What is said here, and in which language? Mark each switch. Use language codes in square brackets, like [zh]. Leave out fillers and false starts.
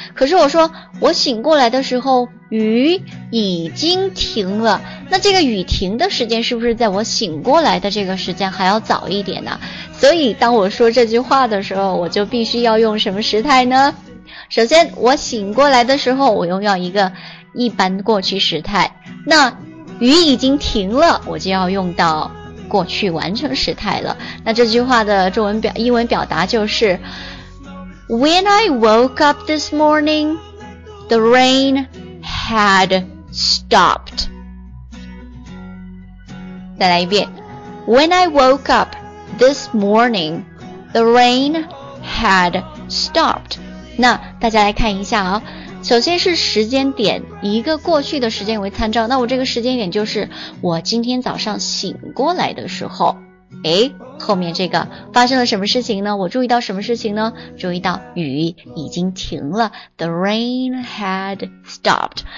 [zh] 可是我说我醒过来的时候雨已经停了，那这个雨停的时间是不是在我醒过来的这个时间还要早一点呢？所以当我说这句话的时候，我就必须要用什么时态呢？首先我醒过来的时候，我用要一个一般过去时态，那雨已经停了，我就要用到过去完成时态了。那这句话的中文表英文表达就是 [en] When I woke up this morning, the rain had stopped. [zh] 再来一遍。 [en] When I woke up this morning, the rain had stopped. [zh] 那大家来看一下哦，首先是时间点，以一个过去的时间为参照，那我这个时间点就是我今天早上醒过来的时候。诶，后面这个发生了什么事情呢？我注意到什么事情呢？注意到雨已经停了， [en] The rain had stopped。